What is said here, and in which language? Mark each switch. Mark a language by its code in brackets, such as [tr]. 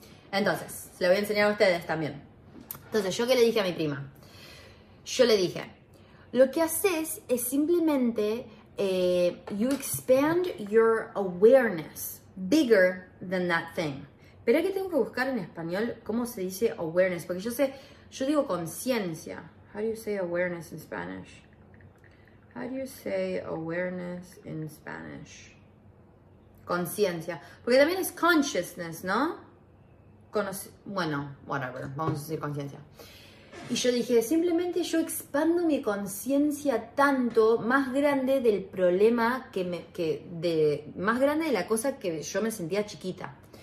[es] Entonces, se la voy a enseñar a ustedes también. Entonces, ¿yo qué le dije a mi prima? Yo le dije, lo que haces es simplemente, [en] you expand your awareness bigger than that thing. [es] Pero aquí tengo que buscar en español cómo se dice awareness, porque yo sé... Yo digo conciencia. [en] How do you say awareness in Spanish? How do you say awareness in Spanish? [es] Conciencia. Porque también es consciousness, ¿no? Bueno, whatever. Vamos a decir conciencia. Y yo dije, simplemente yo expando mi conciencia tanto más grande del problema más grande de la cosa que yo me sentía chiquita.